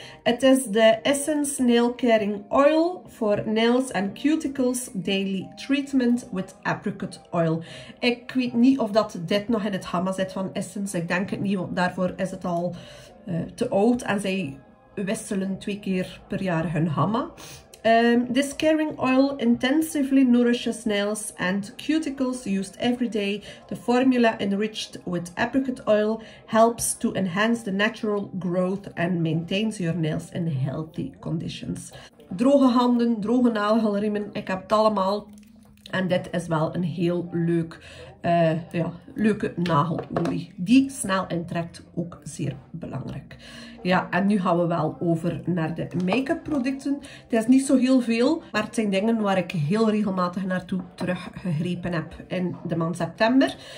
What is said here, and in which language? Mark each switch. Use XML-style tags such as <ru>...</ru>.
<nl>Het is de Essence Nail Caring Oil for Nails and Cuticles Daily Treatment with Apricot Oil. Ik weet niet of dat dit nog in het gamma zit van Essence. Ik denk het niet, want daarvoor is het al te oud. En zij wisselen twee keer per jaar hun gamma.</nl> <en>This caring oil intensively nourishes nails and cuticles used every day. The formula enriched with apricot oil helps to enhance the natural growth and maintains your nails in healthy conditions.</en> <nl>Droge handen, droge nagelriemen, ik heb het allemaal. En dit is wel een heel leuk, leuke nagelolie. Die snel intrekt, ook zeer belangrijk. Ja, en nu gaan we wel over naar de make-up producten. Het is niet zo heel veel, maar het zijn dingen waar ik heel regelmatig naartoe teruggegrepen heb in de maand september.</nl>